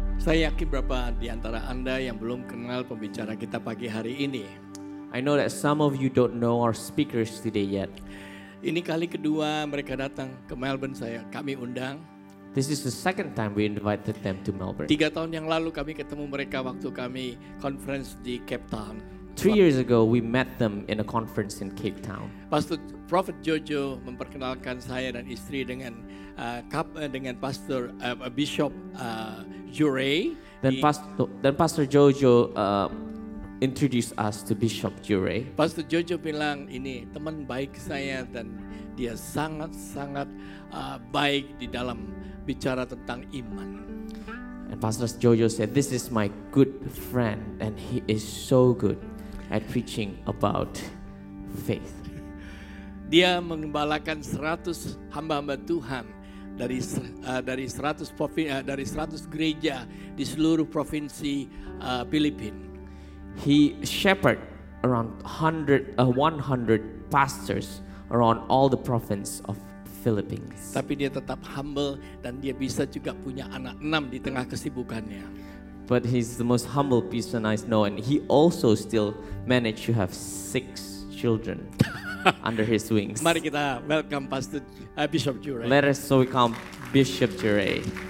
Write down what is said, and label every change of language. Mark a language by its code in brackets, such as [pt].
[id] Saya yakin berapa di antara Anda yang belum kenal pembicara kita pagi hari ini. [en] I know that some of you don't know our speakers today yet. [id] Ini kali kedua mereka datang ke Melbourne, saya kami undang. [en] This is the second time we invited them to Melbourne. [id] 3 tahun yang lalu kami ketemu mereka waktu kami conference di Cape Town. [en] 3 years ago we met them in a conference in Cape Town. [id] Pastor Prophet Jojo memperkenalkan saya dan istri dengan dengan Pastor Bishop Jurey. [en] Pastor Jojo introduced us to Bishop Jurey. [id] Pastor Jojo bilang ini teman baik saya dan dia sangat-sangat baik di dalam bicara tentang iman. [en] And Pastor Jojo said, "This is my good friend, and he is so good at preaching about faith." [id] Dia mengembalakan 100 hamba-hamba Tuhan dari 100 provinsi, dari 100 gereja di seluruh provinsi Filipina. [en] He shepherd around 100 pastors around all the province of Philippines. [id] Tapi dia tetap humble dan dia bisa juga punya anak 6 di tengah kesibukannya. [en] But he's the most humble person I know, and he also still managed to have 6 children under his wings. [id] Mari kita welcome Pastor Bishop Jurey. [en] Let us so welcome Bishop Jurey.